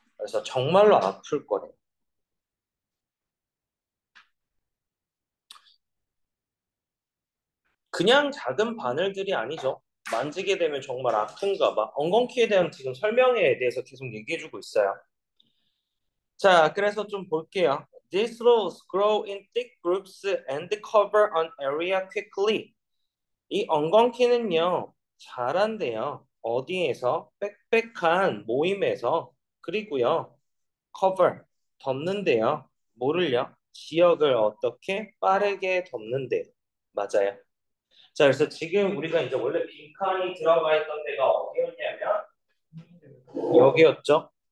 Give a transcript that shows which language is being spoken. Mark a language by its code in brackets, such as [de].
[ko] 그래서 정말로 아플 거래요. 그냥 작은 바늘들이 아니죠. 만지게 되면 정말 아픈가 봐. 엉겅퀴에 대한 지금 설명에 대해서 계속 얘기해주고 있어요. 자, 그래서 좀 볼게요. [en] These rows grow in thick groups and cover an area quickly. [ko] 이 엉겅퀴는요, 자란대요. 어디에서? 빽빽한 모임에서. 그리고요, cover, 덮는데요. 뭐를요? 지역을 어떻게 빠르게 덮는데요. 맞아요. 자, 그래서 지금 우리가 이제 원래 빈칸이 들어가 있던 데가 어디였냐면 여기였죠.